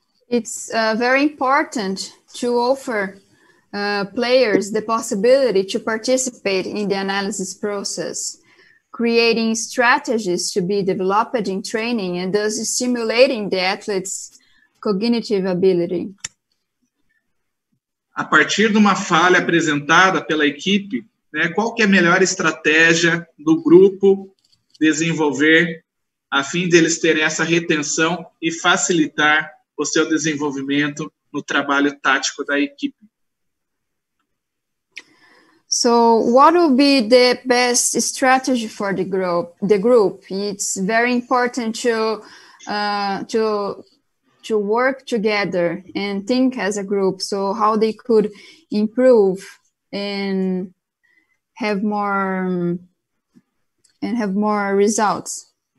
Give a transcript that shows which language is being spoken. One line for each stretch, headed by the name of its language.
English: It's very important to offer players the possibility to participate in the analysis process, creating strategies to be developed in training and thus stimulating the athlete's cognitive ability.
Portuguese: A partir de uma falha apresentada pela equipe, né, qual que é a melhor estratégia do grupo desenvolver a fim deles terem essa retenção e facilitar o seu desenvolvimento no trabalho tático da equipe?
English: So, what will be the best strategy for the group? It's very important to work together and think as a group, so how they could improve and have more results.